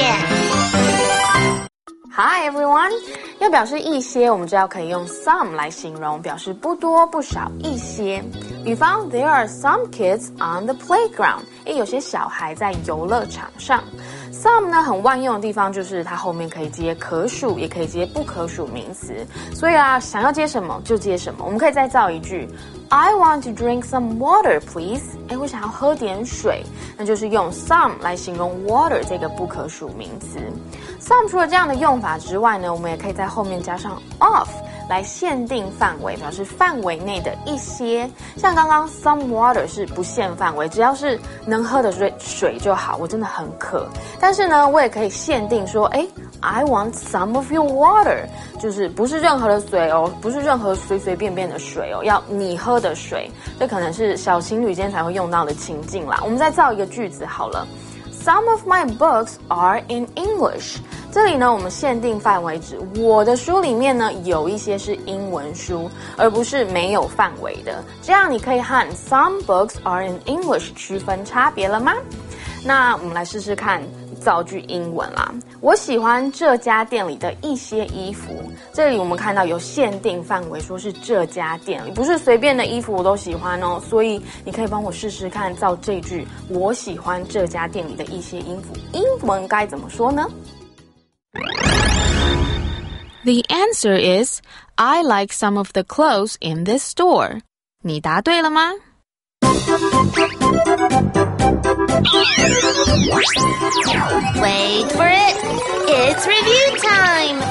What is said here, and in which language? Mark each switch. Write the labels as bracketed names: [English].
[Chinese] 找亮点。 [English] Hi everyone， [Chinese] 要表示一些，我们知道可以用 some 来形容，表示不多不少一些。比方 ， [English] There are some kids on the playground， [Chinese] 诶，有些小孩在游乐场上。 Some 呢，很万用的地方就是它后面可以接可数，也可以接不可数名词。所以啊，想要接什么就接什么。我们可以再造一句。 [English] I want to drink some water, please. [Chinese] 诶，我想要喝点水。那就是用 some 来形容 water 这个不可数名词。 Some 除了这样的用法之外呢，我们也可以在后面加上 of 来限定范围，表示范围内的一些。像刚刚 some water 是不限范围，只要是能喝的水就好，我真的很渴。但是呢，我也可以限定说，诶， [English] I want some of your water， [Chinese] 就是不是任何的水哦，不是任何随随便便的水哦，要你喝的水。这可能是小情侣间才会用到的情境啦。我们再造一个句子好了。 [English] Some of my books are in English。 [Chinese] 这里呢，我们限定范围指我的书里面呢有一些是英文书，而不是没有范围的。这样你可以和 [English] some books are in English [Chinese] 区分差别了吗？那我们来试试看。造句英文啦，我喜欢这家店里的一些衣服。这里我们看到有限定范围，说是这家店里，不是随便的衣服我都喜欢哦。所以你可以帮我试试看造这句，我喜欢这家店里的一些衣服，英文该怎么说呢？ [English] The answer is I like some of the clothes in this store. [Chinese] 你答对了吗？ [English] Wait for it! It's review time!